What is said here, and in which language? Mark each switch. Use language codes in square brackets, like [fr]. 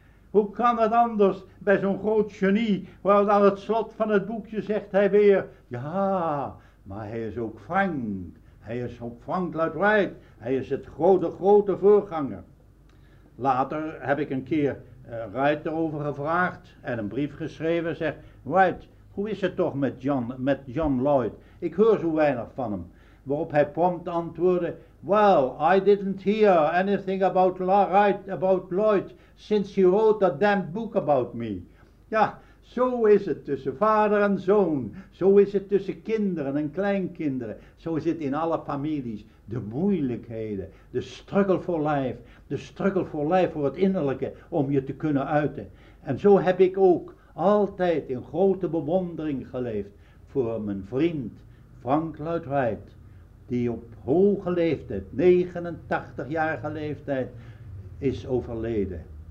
[nl] Hoe kan het anders bij zo'n groot genie, waar aan het slot van het boekje zegt hij weer, ja, maar hij is ook Frank. Hij is ook Frank Lloyd Wright. Hij is het grote voorganger. Later heb ik een keer Wright erover gevraagd en een brief geschreven, zegt Wright, hoe is het toch met John Lloyd? Ik hoor zo weinig van hem. Waarop hij prompt antwoordde, [en] well, I didn't hear anything about Lloyd since he wrote that damn book about me. [nl] Ja, zo is het tussen vader en zoon. Zo is het tussen kinderen en kleinkinderen. Zo is het in alle families. De moeilijkheden, de struggle for life. De struggle for life voor het innerlijke, om je te kunnen uiten. En zo heb ik ook altijd in grote bewondering geleefd voor mijn vriend Frank Lloyd Wright, die op hoge leeftijd, 89-jarige leeftijd, is overleden.